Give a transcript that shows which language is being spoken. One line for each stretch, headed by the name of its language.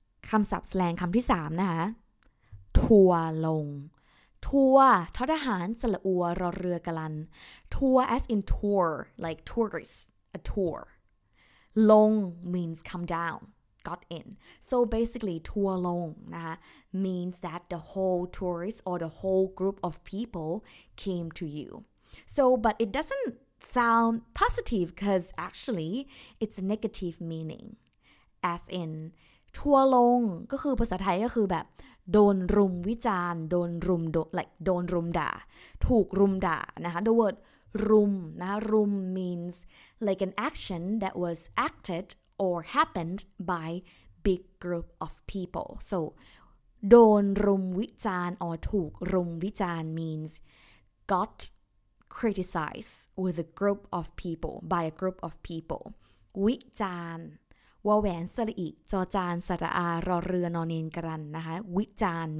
Thai: คำศัพท์แสลงคำที่3นะคะทัวลงทัวททหารสละอัวรอเรือกลันทัว
English: as in tour like tourist a tour
Thai: ลง
English: means come down got in so basically
Thai: ทัวลงนะคะ
English: means that the whole tourist or the whole group of people came to you so but it doesn't sound positive because actually it's a negative meaning as in
Thai: ทัวลงก็คือภาษาไทยก็คือแบบโดนรุมวิจารณ์โดนรุมโดน
English: like
Thai: โดนรุมด่าถูกรุมด่านะคะ the word รุมนะรุม
English: means like an action that was acted or happened by big group of people so โ
Thai: ดนรุมวิจารณ์ or ถูกรุมวิจารณ์
English: means got criticized with a group of people by a group of people
Thai: วิจารณ์ วาแหวนสระอิจอจานสระอารอเรือนอนเนนกรันนะคะวิจารณ์